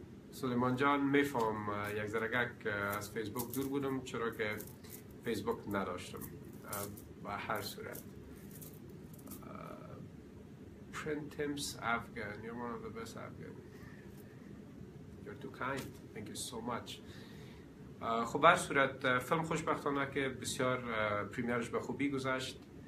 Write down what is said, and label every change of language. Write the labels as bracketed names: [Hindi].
[Persian] سلیمان جان میفهم یک ذرگک از فیسبوک دور بودم چرا که فیسبوک نداشتم. با هر صورت [English] Printemps Afghan, you're one of the best Afghan. You're too kind. Thank you so much. [Persian] خب بر صورت فیلم خوشبختانه که بسیار پریمیرش به خوبی گذشت.